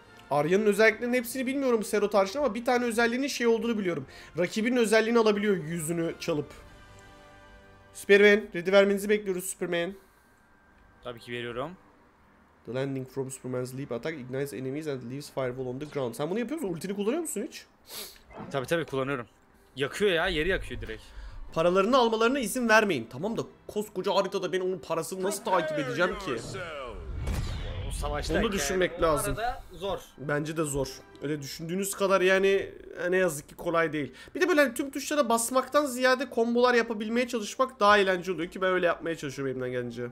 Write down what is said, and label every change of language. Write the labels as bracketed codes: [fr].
[tr] Arya'nın özelliklerinin hepsini bilmiyorum Sero tarzında ama bir tane özelliğinin şey olduğunu biliyorum. Rakibinin özelliğini alabiliyor yüzünü çalıp. Superman, ready vermenizi bekliyoruz Superman. Tabii ki veriyorum. [en] The landing from Superman's leap attack ignites enemies and leaves fireball on the ground. [tr] Sen bunu yapıyor musun? Ultini kullanıyor musun hiç? Tabii tabii kullanıyorum. Yakıyor ya, yeri yakıyor direkt. Paralarını almalarına izin vermeyin. Tamam da koskoca haritada ben onun parasını nasıl takip edeceğim ki? Savaşta onu düşünmek yani. Lazım. Zor. Bence de zor. Öyle düşündüğünüz kadar yani ne yazık ki kolay değil. Bir de böyle hani tüm tuşlara basmaktan ziyade kombolar yapabilmeye çalışmak daha eğlenceli oluyor ki ben öyle yapmaya çalışıyorum elimden gelince.